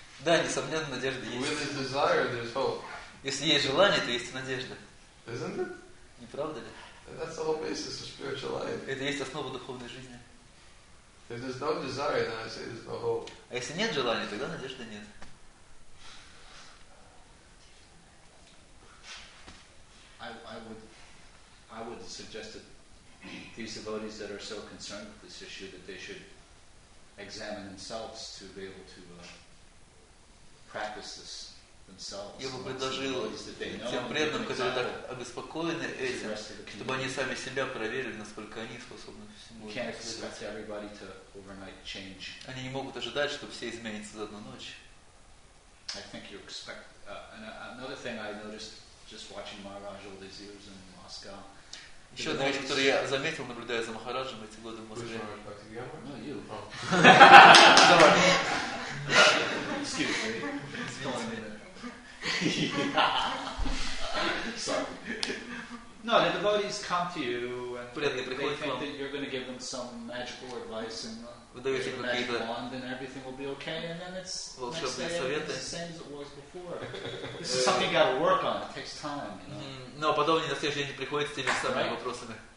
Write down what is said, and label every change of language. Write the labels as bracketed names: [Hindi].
[Russian] Да, несомненно, надежда есть. [English] With a desire, there's hope. [Russian] Если есть желание, то есть надежда. [English] Isn't it? [Russian] Не правда ли? [English] That's the whole basis of spiritual life. [Russian] Это есть основа духовной жизни. [English] If there's no desire, then I say there's no hope. [Russian] А если нет желания, тогда надежды нет. [English] I would suggest that these devotees that are so concerned with this issue that they should examine themselves to be able to practice this themselves. [Russian] Я бы предложил тем преданным, которые так обеспокоены этим, чтобы они сами себя проверили, насколько они способны всему. [English] Can't expect everybody to overnight change. [Russian] Они не могут ожидать, что все изменятся за одну ночь. [English] I think you expect. And another thing I noticed. Just watching Maharaj all these years in Moscow. [Russian] Еще одна вещь, которую я заметил, наблюдая за Махараджем эти годы в Москве. [English] Who's Maharaj Bhaktivedanta? No, you. [Russian] Давай. [English] Excuse me. It's going in there. Sorry. No, the devotees come to you and they think that you're going to give them some magical advice and give them a magic wand and everything will be okay and then it's the next day it's the same as it was before. This is something you've got to work on. It takes time, [Russian] Но подобные на следующий день приходят с теми самыми вопросами.